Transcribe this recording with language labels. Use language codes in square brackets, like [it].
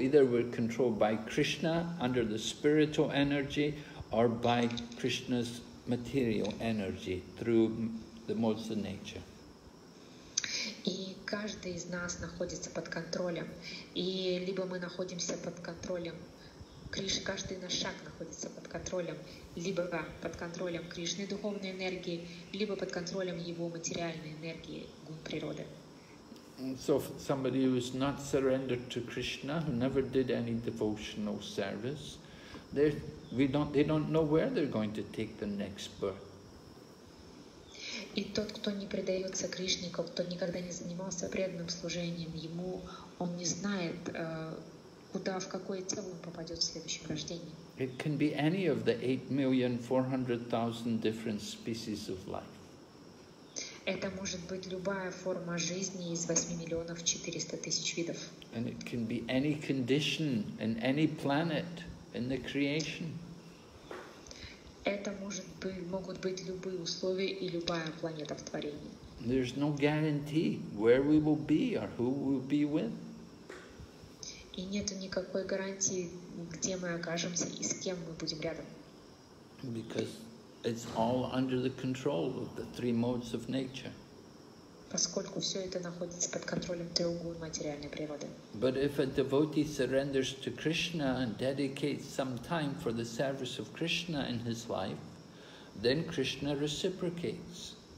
[en] Either we're controlled by Krishna under the spiritual energy, or by Krishna's material energy through the modes of nature. [ru] И каждый из нас находится под контролем, и либо мы находимся под контролем Кришны, каждый наш шаг находится под контролем, либо под контролем Кришны духовной энергии, либо под контролем его материальной энергии, гун природы. [en] So somebody who is not surrendered to Krishna, who never did any devotional service, they don't know where they're going to take the next birth. [ru] И тот, кто не предается Кришне, кто никогда не занимался преданным служением ему, он не знает, куда, в какое тело он попадет в следующем рождении. [en] It can be any of the 8 400 000 different species of life. [ru] Это может быть любая форма жизни из 8 400 000 видов. [en] And it can be any condition in any planet in the creation. [ru] Это могут быть любые условия и любая планета в творении. [en] There's no guarantee where we will be or who we will be with. [ru] И нету никакой гарантии, где мы окажемся и с кем мы будем рядом. [en] Because it's all under the control of the three modes of nature. [ru] Поскольку все это находится под контролем треугольной материальной природы. [en] But if a devotee surrenders to Krishna and dedicates some time for the service of Krishna in his life, then Krishna reciprocates.